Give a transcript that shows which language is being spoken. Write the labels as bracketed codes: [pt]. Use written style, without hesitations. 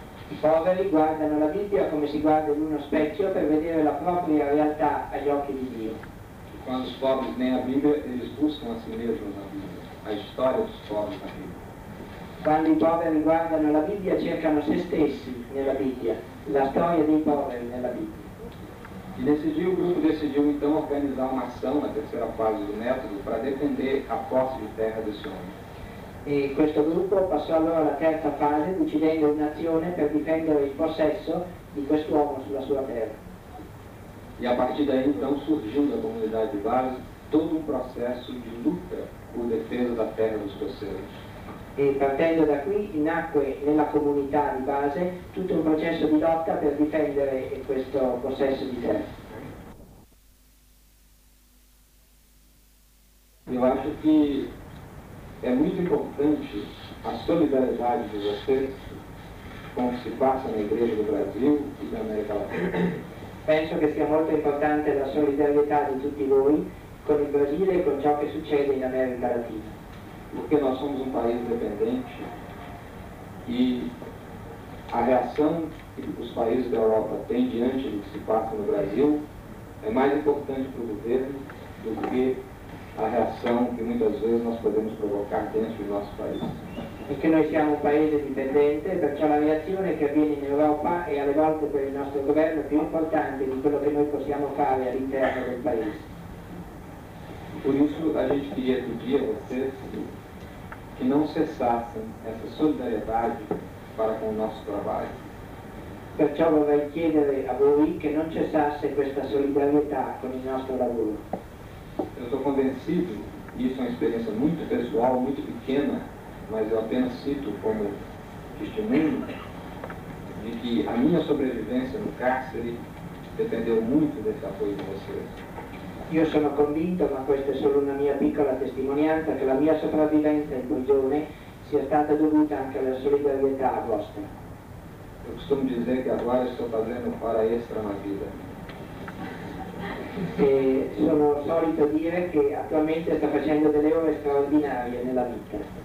[it] I poveri guardano la Bibbia come si guarda in uno specchio per vedere la propria realtà agli occhi di Dio. Quando i poveri non la Bibbia, [pt] eles buscano a si mesmo [it] la Bibbia, la storia dei poveri nella Bibbia. Quando i poveri guardano la Bibbia, cercano se stessi nella Bibbia, la storia dei poveri nella Bibbia. [pt] E nesse dia o grupo decidiu então organizar uma ação na terceira fase do método para defender a posse de terra desse homem. [it] E questo gruppo passò allora alla terza fase decidendo un'azione per difendere il possesso di quest'uomo sulla sua terra. [pt] E a partir daí, então, surgiu da comunidade de base todo um processo de luta por defesa da terra dos coceiros. [it] E partendo da qui nacque nella comunità di base tutto un processo di lotta per difendere questo possesso di terra. Io acho che è molto importante la solidarietà di voi con si passa nella Chiesa del Brasile e dell'America Latina. Penso che sia molto importante la solidarietà di tutti voi con il Brasile e con ciò che succede in America Latina. [pt] Porque nós somos um país dependente e a reação que os países da Europa têm diante do que se passa no Brasil é mais importante para o governo do que a reação que muitas vezes nós podemos provocar dentro do nosso país. Porque nós somos um país dependente, perciò a reação que vem em Europa é, às vezes, para o nosso governo, mais importante do que nós podemos fazer ao interno do país. Por isso, a gente queria pedir a vocês que não cessassem essa solidariedade para com o nosso trabalho. [it] Perciò vorrei chiedere a voi che non cessasse questa solidarietà con il nostro lavoro. [pt] Eu estou convencido, e isso é uma experiência muito pessoal, muito pequena, mas eu apenas cito como testemunho, de que a minha sobrevivência no cárcere dependeu muito desse apoio de vocês. [it] Io sono convinto, ma questa è solo una mia piccola testimonianza, che la mia sopravvivenza in prigione sia stata dovuta anche alla solidarietà vostra. Io costumo dire che ora sto facendo un para extra nella vita. Sono solito dire che attualmente sto facendo delle ore straordinarie nella vita.